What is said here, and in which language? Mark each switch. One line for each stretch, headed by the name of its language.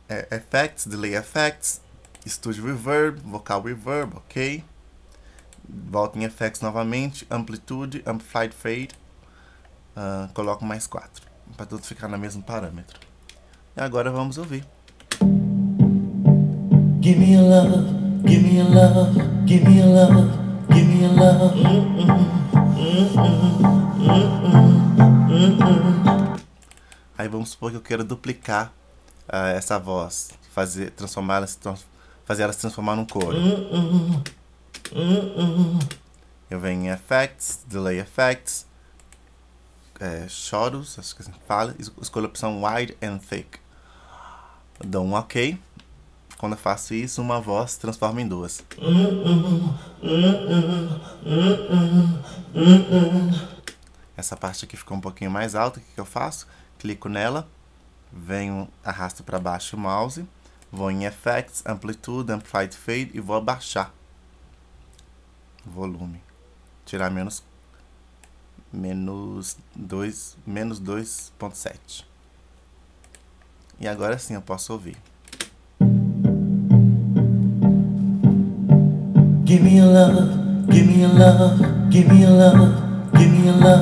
Portuguese: Effects, Delay Effects, Studio Reverb, Vocal Reverb, ok. Volto em Effects novamente, Amplitude, Amplified Fade. Coloco mais 4, para tudo ficar no mesmo parâmetro. E agora vamos ouvir.
English: Give me your love, give me your love, give me your love, give me your
Portuguese: Aí vamos supor que eu queira duplicar essa voz, fazer ela se transformar num coro. Eu venho em Effects, Delay Effects, Chorus, acho que assim fala, escolho a opção Wide and Thick. Dou um OK. Quando eu faço isso, uma voz se transforma em duas. Essa parte aqui ficou um pouquinho mais alta. O que eu faço? Clico nela, venho, arrasto para baixo o mouse, vou em Effects, Amplitude, Amplified Fade e vou abaixar volume, tirar menos 2,7. E agora sim eu posso ouvir.
English: Give me your love, give me your love, give me your love, give me your